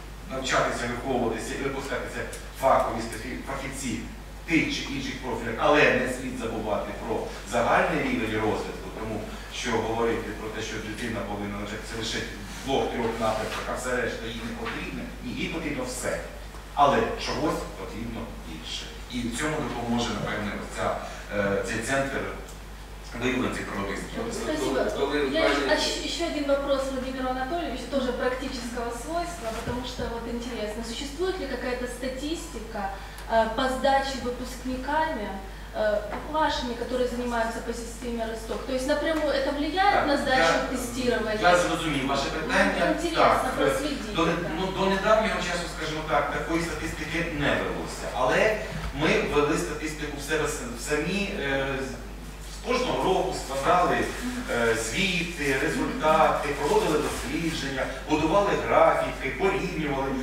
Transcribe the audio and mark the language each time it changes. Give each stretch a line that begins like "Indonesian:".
Ukrainian: навчатися, виховуватися і випускатися фахові фахівці тих чи інших профілях, але не слід забувати про загальний рівень розвитку, тому що говорити про те, що дитина повинна навчатися лише двох-трьох напрямках, а все решта їй не потрібне, їй потрібно все, але чогось потрібно більше. І в цьому допоможе, напевне, цей центр
Russian: именно эти продукты. Спасибо. Еще один вопрос, Владимир Анатольевич, тоже практического свойства, потому что вот интересно, существует ли какая-то статистика по сдаче выпускниками, вашими, которые занимаются по системе РСТОК? То есть напрямую это влияет на сдачу тестирования?
Ukrainian: Я зрозумів ваше питання.
Russian: Интересно, проследите.
Ukrainian: До недавнього часу, скажімо так, такої статистики не велося. Але ми ввели статистику в себе самі. Кожного року складали звіти, результати, проводили дослідження, будували графіки, порівнювали.